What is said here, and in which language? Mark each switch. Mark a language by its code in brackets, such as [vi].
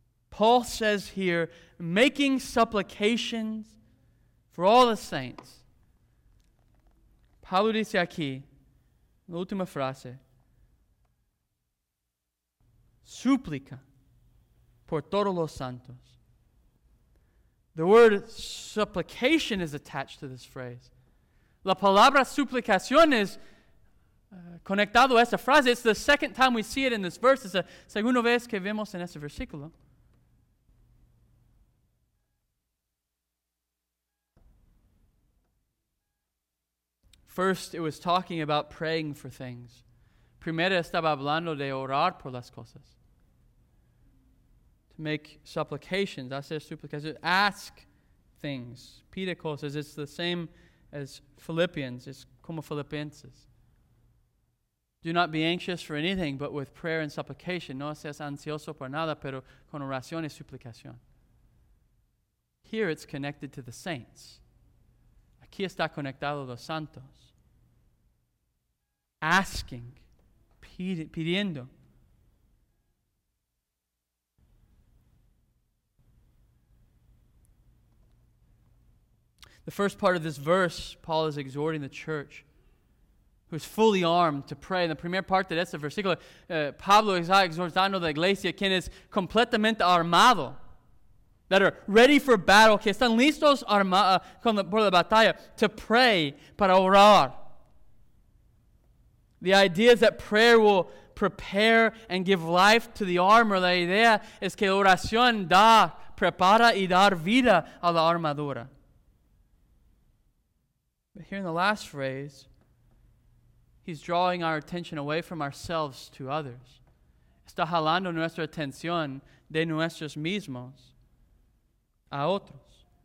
[en] Paul says here, making supplications for all the saints. [es] Pablo dice aquí, la última frase, súplica por todos los santos. [en] The word supplication is attached to this phrase. [es] La palabra suplicación es conectado a esta frase. [en] It's the second time we see it in this verse. It's the [es] segunda vez que vemos en este versículo. [en] First, it was talking about praying for things. [es] Primero estaba hablando de orar por las cosas. [en] To make supplications, [es] hacer suplicaciones, [en] ask things. [es] Pide cosas, [en] it's the same as Philippians, it's [es] como Filipenses. [en] Do not be anxious for anything, but with prayer and supplication. [es] No seas ansioso por nada, pero con oración y suplicación. [en] Here it's connected to the saints. [es] Aquí está conectado los santos. [en] Asking, [es] pidiendo. [en] The first part of this verse, Paul is exhorting the church, who is fully armed to pray. In the [es] primera parte de este versículo, Pablo está exhortando la iglesia, quien es completamente armado, [en] that are ready for battle, [es] que están listos por la batalla, [en] to pray, [es] para orar. [en] The idea is that prayer will prepare and give life to the armor. [es] La idea es que oración da, prepara y dar vida a la armadura. [en] But here in the last phrase, he's drawing our attention away from ourselves to others. [es] Está jalando nuestra atención de nuestros mismos a otros.